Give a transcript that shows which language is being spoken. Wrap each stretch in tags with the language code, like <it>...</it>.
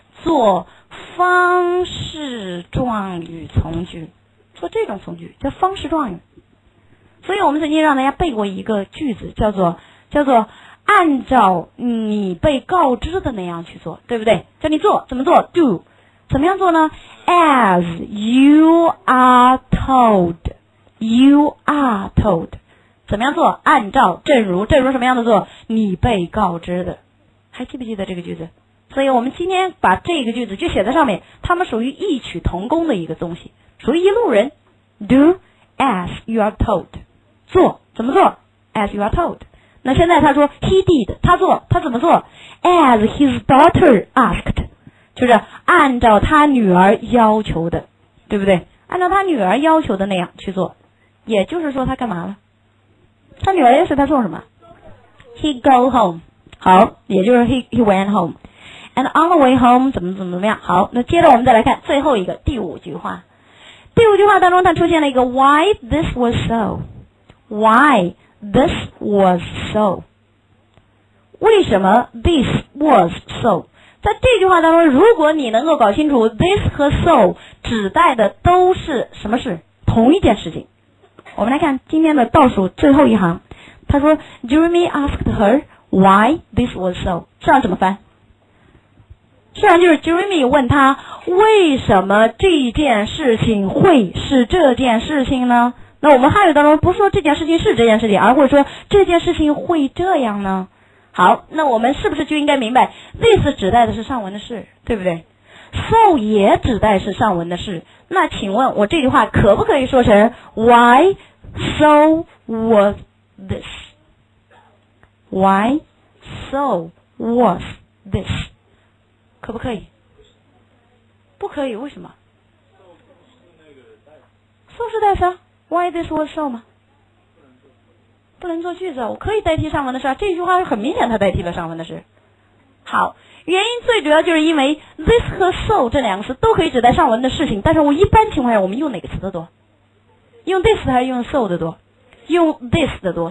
<zh>做方式状语从句，做这种从句叫方式状语。所以我们曾经让大家背过一个句子，叫做按照你被告知的那样去做，对不对？叫你做怎么做？do。 怎么样做呢？</zh> <en>As you are told, you are told, 怎么样做？</en> <zh>按照，正如什么样的做？你被告知的。还记不记得这个句子？所以我们今天把这个句子就写在上面，他们属于异曲同工的一个东西，属于一路人。</zh> <en>Do as you are told, 做怎么做？ As you are told。</en> <zh>那现在他说 He did, 他做，他怎么做？ As his daughter asked, 就是按照他女儿要求的，对不对？按照他女儿要求的那样去做，也就是说他干嘛了？他女儿要求他做什么？ He go home。</zh> <en>好，也就是 he went home。 And on the way home 怎么样。</en> <zh>好，那接着我们再来看最后一个，第五句话当中，他出现了一个 Why this was so。为什么 this was so？在这句话当中，如果你能够搞清楚 this 和 so 指代的都是什么事，同一件事情。我们来看今天的倒数最后一行，他说 Jeremy asked her why this was so。这样怎么翻？这样就是 Jeremy 问他为什么这件事情会是这件事情呢？那我们汉语当中不说这件事情是这件事情，而会说这件事情会这样呢？好，那我们是不是就应该明白 this 指代的是上文的事，对不对？受也指代是上文的事，那请问我这句话可不可以说成 Why so was this? Why so was this? 可不可以？不可以，为什么？ so是代词啊， Why this was so 吗？不能做句子，我可以代替上文的事啊，这句话很明显它代替了上文的事。好，原因最主要就是因为 this 和 so 这两个词都可以指代上文的事情，但是我一般情况下我们用哪个词的多？用 this 还是用 so 的多？用 this 的多。</zh>